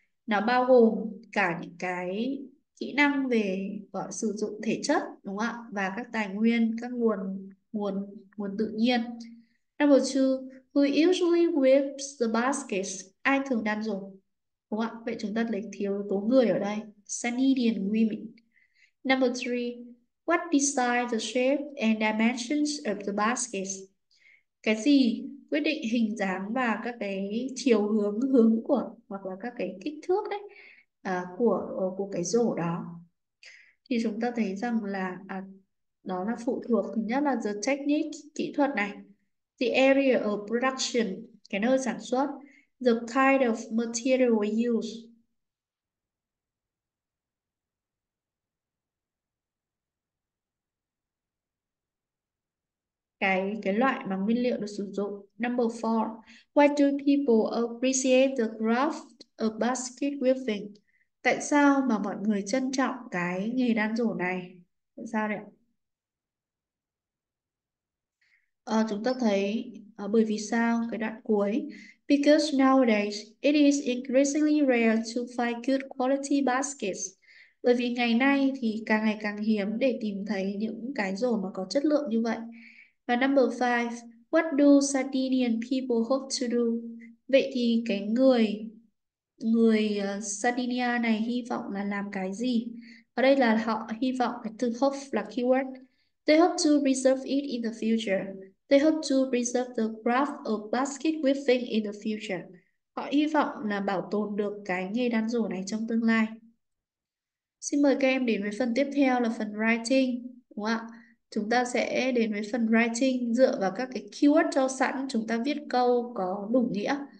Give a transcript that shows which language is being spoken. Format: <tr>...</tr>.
<vi>Nó bao gồm cả những cái kỹ năng về gọi sử dụng thể chất đúng không ạ, và các tài nguyên, các nguồn nguồn nguồn tự nhiên.</vi> <en>Number two, who usually weaves the baskets?</en> <vi>Ai thường đan rổ đúng không ạ? Vậy chúng ta lấy thiếu tố người ở đây, Sanidian women.</vi> <en>Number three, what decides the shape and dimensions of the baskets?</en> <vi>Cái gì quyết định hình dáng và các cái chiều hướng hướng của hoặc là các cái kích thước đấy của cái rổ đó? Thì chúng ta thấy rằng là đó là phụ thuộc, thứ nhất là</vi> <en>the technique,</en> <vi>kỹ thuật này,</vi> <en>the area of production,</en> <vi>cái nơi sản xuất,</vi> <en>the kind of material we use.</en> <vi>Cái loại mà nguyên liệu được sử dụng.</vi> <en>Number four, why do people appreciate the craft of basket weaving?</en> <vi>Tại sao mà mọi người trân trọng cái nghề đan rổ này? Tại sao đấy? Chúng ta thấy bởi vì sao cái đoạn cuối?</vi> <en>Because nowadays it is increasingly rare to find good quality baskets.</en> <vi>Bởi vì ngày nay thì càng ngày càng hiếm để tìm thấy những cái rổ mà có chất lượng như vậy. Và</vi> <en>number five, what do Sardinian people hope to do?</en> <vi>Vậy thì cái người Sardinia này hy vọng là làm cái gì? Ở đây là họ hy vọng, cái từ hope là keyword.</vi> <en>They hope to preserve it in the future. They hope to preserve the craft of basket weaving in the future.</en> <vi>Họ hy vọng là bảo tồn được cái nghề đan rổ này trong tương lai. Xin mời các em đến với phần tiếp theo là phần writing, đúng không ạ? Chúng ta sẽ đến với phần writing dựa vào các cái keyword cho sẵn, chúng ta viết câu có đủ nghĩa.</vi>